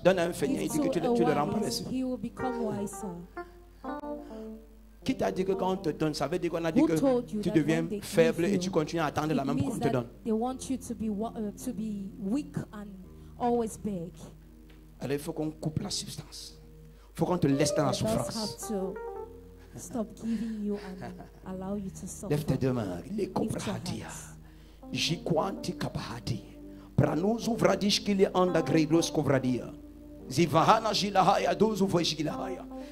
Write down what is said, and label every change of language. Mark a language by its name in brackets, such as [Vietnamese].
[French] Donne à un feignant. Il dit que tu le rends plus sage. Qui t'a dit que quand on te donne, ça veut dire qu'on a dit que tu deviens faible et tu continues à attendre la même pour qu'on te donne. [English] They want you to be weak and always beg. [French] Alors il faut qu'on coupe la substance. Il faut qu'on te laisse dans la souffrance. [English] Have to stop giving you and allow you to suffer. [French] Lève tes deux mains. Les comprahadia. J'y quanti kapahadi. Pranous ouvradish qu'il y a en d'agréglos kouvradia. Zivahana jilahaya douzou vajilahaya.